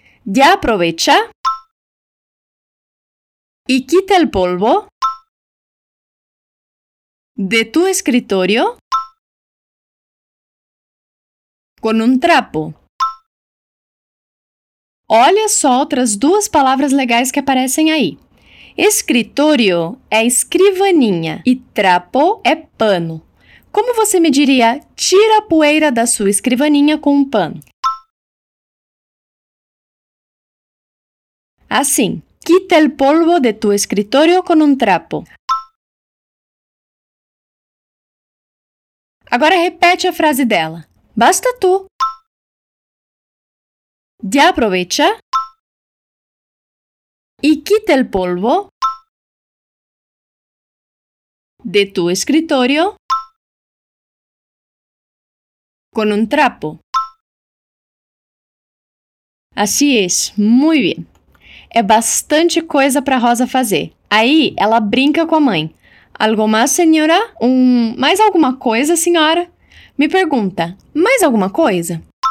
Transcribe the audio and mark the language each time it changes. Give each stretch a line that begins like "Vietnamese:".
Spanish: Ya aprovecha y quita el polvo de tu escritorio con un trapo.
Portuguese: Olha só outras duas palavras legais que aparecem aí. Escritório é escrivaninha e trapo é pano. Como você me diria, tira a poeira da sua escrivaninha com um pano?
Spanish: Assim, quita el polvo de tu escritório con un trapo.
Portuguese: Agora repete a frase dela.
Spanish: Basta tu. Ya aprovecha. Y quita el polvo de tu escritorio con un trapo. Así es, muy bien.
Portuguese: É bastante coisa para Rosa fazer. Aí, ela brinca com a mãe. Algo mais, senhora? Mais alguma coisa, senhora? Me pergunta, mais alguma coisa?